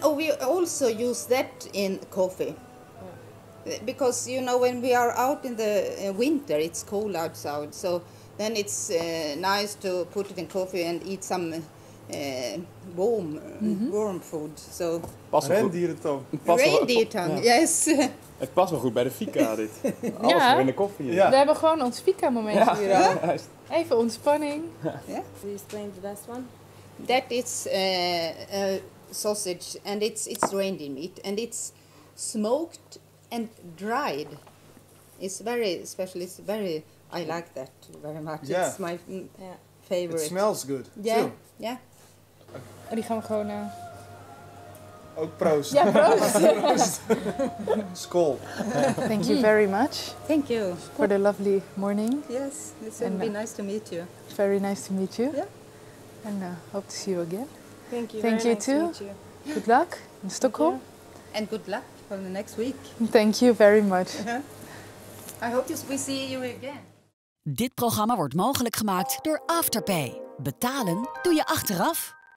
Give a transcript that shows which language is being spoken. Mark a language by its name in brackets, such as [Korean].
[English] Oh, we also use that in coffee, because you know when we are out in the winter, it's cold outside. So then it's nice to put it in coffee and eat some warm food. So reindeer tongue. Ja. Yes. [Dutch] Het past wel goed bij de fika dit. Alles weer in de koffie. Ja. We hebben gewoon ons fika moment hier. Huh? Even ontspanning. [English] Yeah. Can you explain the last one? That is. Sausage and it's reindeer meat and it's smoked and dried. It's very special. It's very I like that very much. Yeah. It's my favorite. It smells good. Yeah. Too. Yeah. [Dutch] En die gaan we gewoon. Ook proost. Ja, proost. [Swedish] Skol. [English] Thank you very much. Thank you for the lovely morning. Yes, it's gonna be nice to meet you. Very nice to meet you. Yeah. And hope to see you again. Thank you. Nice too. Good luck in Stockholm. And good luck for the next week. Thank you very much. I hope we see you again. [Dutch] Dit programma wordt mogelijk gemaakt door Afterpay. Betalen doe je achteraf.